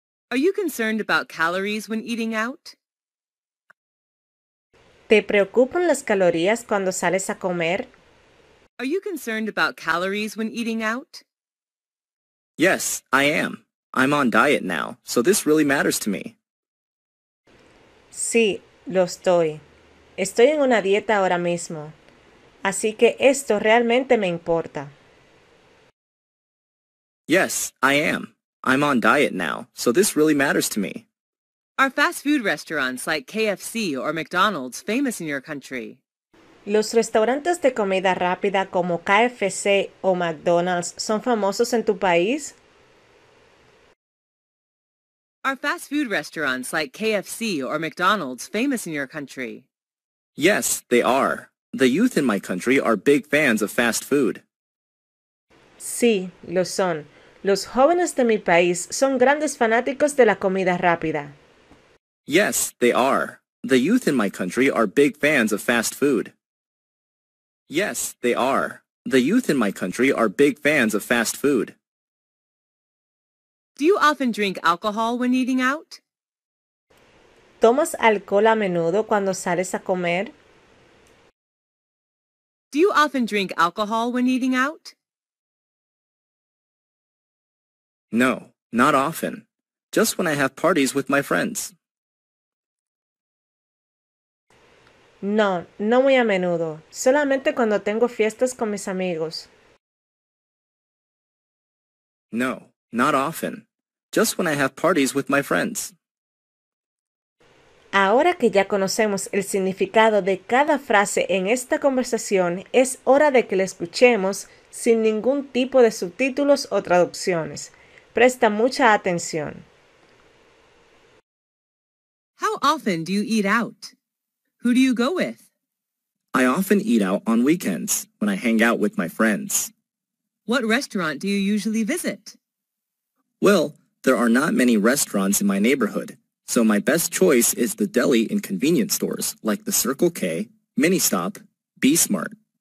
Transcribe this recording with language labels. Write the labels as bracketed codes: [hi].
[en] Are you concerned about calories when eating out? [es] ¿Te preocupan las calorías cuando sales a comer? [en] Are you concerned about calories when eating out? Yes, I am. I'm on diet now, so this really matters to me. [es] Sí, lo estoy. Estoy en una dieta ahora mismo. Así que esto realmente me importa. [en] Yes, I am. I'm on diet now, so this really matters to me. Are fast food restaurants like KFC or McDonald's famous in your country? [es] ¿Los restaurantes de comida rápida como KFC o McDonald's son famosos en tu país? [en] Are fast food restaurants like KFC or McDonald's famous in your country? Yes, they are. The youth in my country are big fans of fast food. [es] Sí, lo son. Los jóvenes de mi país son grandes fanáticos de la comida rápida. [en] Yes, they are. The youth in my country are big fans of fast food. Yes, they are. The youth in my country are big fans of fast food. Do you often drink alcohol when eating out? [es] ¿Tomas alcohol a menudo cuando sales a comer? [en] Do you often drink alcohol when eating out? No, not often. Just when I have parties with my friends. [es] No, no muy a menudo. Solamente cuando tengo fiestas con mis amigos. [en] No, not often. Just when I have parties with my friends. [es] Ahora que ya conocemos el significado de cada frase en esta conversación, es hora de que la escuchemos sin ningún tipo de subtítulos o traducciones. Presta mucha atención. [en] How often do you eat out? Who do you go with? I often eat out on weekends when I hang out with my friends. What restaurant do you usually visit? Well, there are not many restaurants in my neighborhood, so my best choice is the deli and convenience stores like the Circle K, Mini Stop, B-Smart.